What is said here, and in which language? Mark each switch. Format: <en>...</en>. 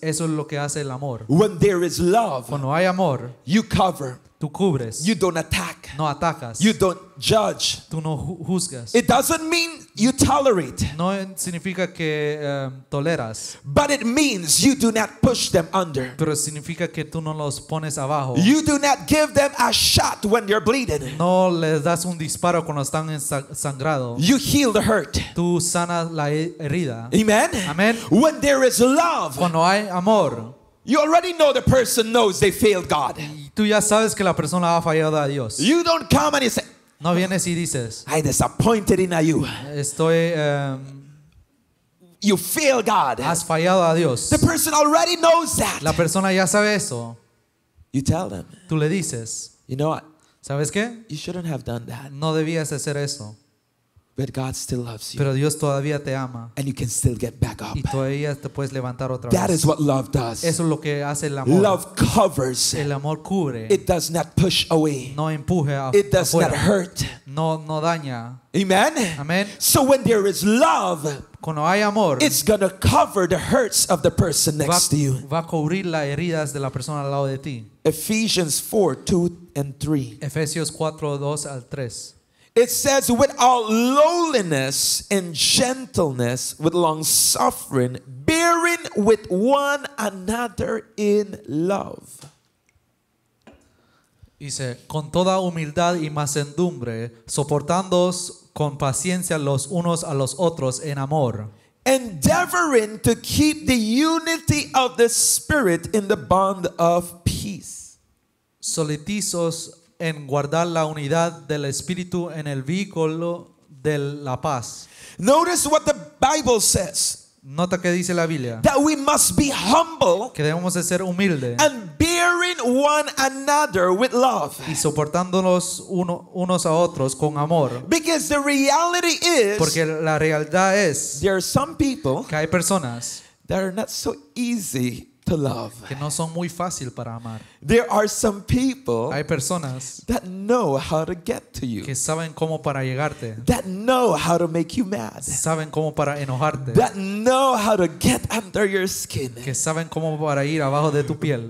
<es>Eso es lo que hace el amor.</es> <en>When there is love,</en> <es>cuando hay amor,</es> <en>you cover.</en> <es>Tú cubres.</es> <en>You don't attack.</en> <es>No atacas.</es> <en>You don't judge.</en> <es>Tú no juzgas.</es> <en>It doesn't mean you tolerate.</en> <es>No significa que toleras.</es> <en>But it means you do not push them under.</en> <es>Pero significa que tú no los pones abajo.</es> <en>You do not give them a shot when they're bleeding.</en> <es>No les das un disparo cuando están sangrados.</es> <en>You heal the hurt.</en> <es>Tú sanas la herida.</es> <en>Amen.</en> <es>Amen.</es> <en>When there is love.</en> <es>Cuando hay amor.</es> <en>You already know the person knows they failed God.</en> <es>Tú ya sabes que la persona ha fallado a Dios.</es> <en>You don't come and you say,</en> <es>no vienes y dices,</es> <en>I disappointed in you.</en> <es>Estoy,</es> <en>you failed God.</en> <es>Has fallado a Dios.</es> <en>The person already knows that.</en> <es>La persona ya sabe eso.</es> <en>You tell them.</en> <es>Tú le dices,</es> <en>you know what?</en> <es>¿Sabes qué?</es> <en>You shouldn't have done that.</en> <es>No debías hacer eso.</es> <en>But God still loves you.</en> <es>Pero Dios todavía te ama.</es> <en>And you can still get back up.</en> <es>Y todavía te puedes levantar otra vez.</es> <en>That is what love does.</en> <es>Eso es lo que hace el amor.</es> <en>Love covers.</en> <es>El amor cubre.</es> <en>It does not push away.</en> <es>No empuja.</es> <en>It does</en> <es>afuera.</es> <en>Not hurt.</en> <es>No daña.</es> <en>Amen.</en> <es>Amen.</es> <en>So when there is love,</en> <es>cuando hay amor,</es> <en>it's gonna cover the hurts of the person next to you.</en> <es>Va a cubrir las heridas de la persona al lado de ti.</es> <en>Ephesians 4:2-3.</en> <es>Efesios 4:2-3.</es> <en>It says, with all lowliness and gentleness, with long suffering, bearing with one another in love.</en> <es>Dice, con toda humildad y mansedumbre, soportándoos con paciencia los unos a los otros en amor.</es> <en>Endeavoring to keep the unity of the Spirit in the bond of peace.</en> <es>Solitizos en guardar la unidad del espíritu en el vínculo de la paz.</es> <en>Notice what the Bible says.</en> <es>Nota que dice la Biblia.</es> <en>That we must be humble.</en> <es>Que debemos de ser humildes.</es> <en>And bearing one another with love.</en> <es>Y soportándonos unos a otros con amor.</es> <en>Because the reality is.</en> <es>Porque la realidad es.</es> <en>There are some people.</en> <es>Que hay personas.</es> <en>That are not so easy. To love.</en> <es>Que no son muy fácil para amar.</es> <en>There are some people.</en> <es>Hay personas.</es> <en>That know how to get to you.</en> <es>Que saben cómo para llegarte.</es> <en>That know how to make you mad.</en> <es>Saben cómo para enojarte.</es> <en>That know how to get under your skin.</en> <es>Que saben cómo para ir abajo de tu piel.</es>